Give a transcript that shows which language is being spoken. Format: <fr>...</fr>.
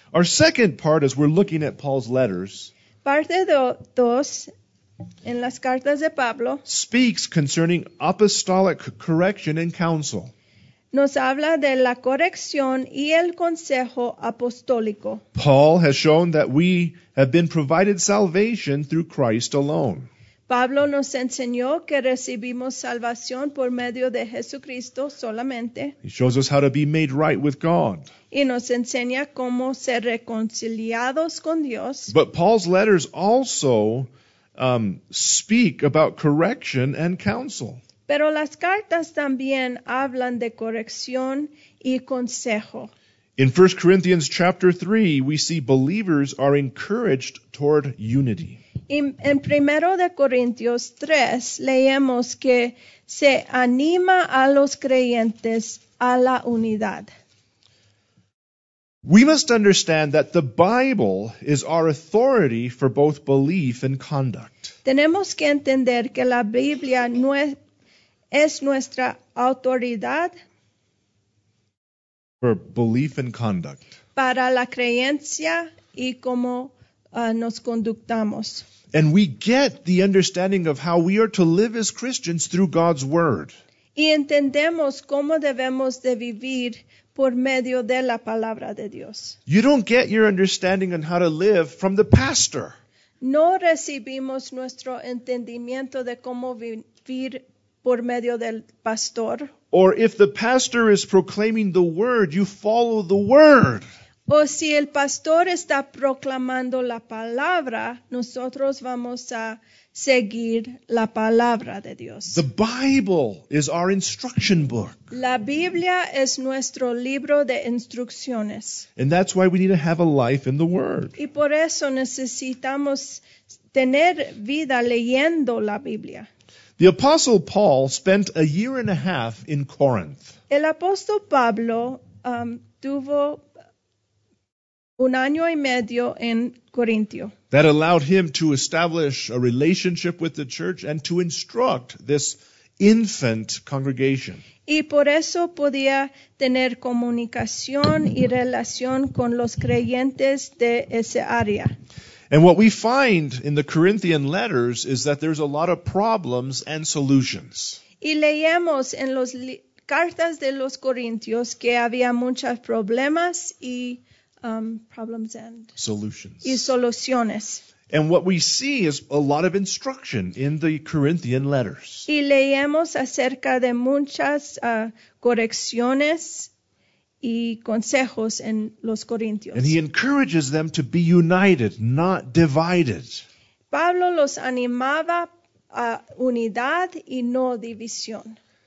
<en>Our second part, as we're looking at Paul's letters,</en> <es>parte dos en las cartas de Pablo,</es> <en>speaks concerning apostolic correction and counsel.</en> <es>Nos habla de la corrección y el consejo apostólico.</es> <en>Paul has shown that we have been provided salvation through Christ alone.</en> <es>Pablo nos enseñó que recibimos salvación por medio de Jesucristo solamente.</es> <en>He shows us how to be made right with God.</en> <es>Y nos enseña cómo ser reconciliados con Dios.</es> <en>But Paul's letters also speak about correction and counsel.</en> <es>Pero las cartas también hablan de corrección y consejo.</es> <en>In 1 Corinthians chapter 3, we see believers are encouraged toward unity.</en> <es>En 1 de Corintios 3, leemos que se anima a los creyentes a la unidad.</es> <en>We must understand that the Bible is our authority for both belief and conduct.</en> <es>Tenemos que entender que la Biblia es nuestra autoridad</es> <en>for belief and conduct.</en> <es>Para la creencia y cómo nos conductamos.</es> <en>And we get the understanding of how we are to live as Christians through God's Word.</en> <es>Y entendemos cómo debemos de vivir por medio de la palabra de Dios.</es> <en>You don't get your understanding on how to live from the pastor.</en> <es>No recibimos nuestro entendimiento de cómo vivir por medio del pastor.</es> <en>Or if the pastor is proclaiming the word, you follow the word.</en> <es>O si el pastor está proclamando la palabra, nosotros vamos a seguir la palabra de Dios.</es> <en>The Bible is our instruction book.</en> <es>La Biblia es nuestro libro de instrucciones.</es> <en>And that's why we need to have a life in the Word.</en> <es>Y por eso necesitamos tener vida leyendo la Biblia.</es> <en>The Apostle Paul spent a year and a half in Corinth.</en> <es>El apóstol Pablo tuvo un año y medio en Corintio.</es> <en>That allowed him to establish a relationship with the church and to instruct this infant congregation.</en> <es>Y por eso podía tener comunicación y relación con los creyentes de esa área.</es> <en>And what we find in the Corinthian letters is that there's a lot of problems and solutions.</en> <es>Y leemos en las cartas de los Corintios que había muchos problemas y</es> <en>problems and solutions.</en> <es>Y soluciones.</es> <en>And what we see is a lot of instruction in the Corinthian letters.</en> <es>Y leemos acerca de muchas correcciones y consejos en los Corintios.</es> <en>And he encourages them to be united, not divided.</en> <es>Pablo los animaba a unidad y no división.</es>